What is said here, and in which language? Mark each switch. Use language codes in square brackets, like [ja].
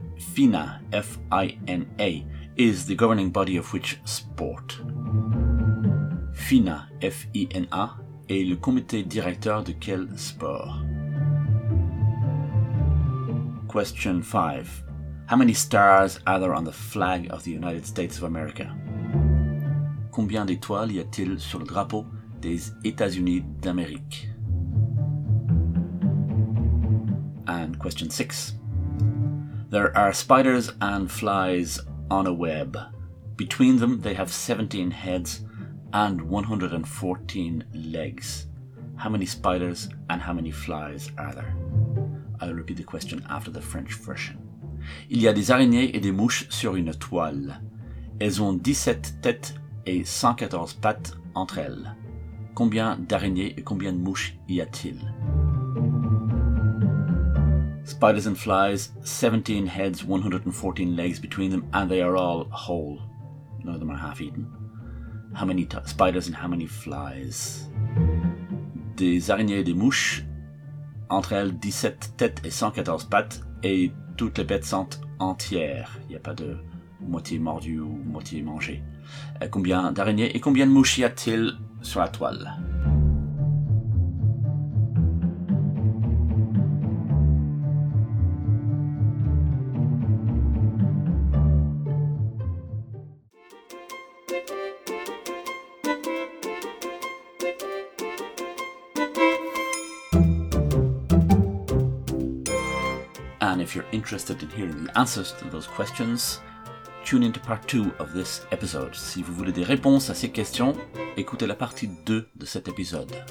[en] FINA, F-I-N-A, is the governing body of which sport? [fr] FINA, F-I-N-A, est le comité directeur de quel sport? [en] Question 5. How many stars are there on the flag of the United States of America? [fr] Combien d'étoiles y a-t-il sur le drapeau des États-Unis d'Amérique? [en] And question 6. There are spiders and flies on a web. Between them, they have 17 heads and 114 legs. How many spiders and how many flies are there? I'll repeat the question after the French version. [fr] Il y a des araignées et des mouches sur une toile. Elles ont 17 têtes et 114 pattes entre elles. Combien d'araignées et combien de mouches y a-t-il? [en] Spiders and flies, 17 heads, 114 legs between them, and they are all whole. None of them are half-eaten. How many spiders and how many flies? [fr] Des araignées et des mouches, entre elles 17 têtes et 114 pattes, et toutes les bêtes sont entières. Il n'y a pas de moitié mordu ou moitié mangé. Combien d'araignées et combien de mouches y a-t-il sur la toile? [en] And if you're interested in hearing the answers to those questions, tune into part 2 of this episode. [fr] Si vous voulez des réponses à ces questions, écoutez la partie 2 de cet épisode.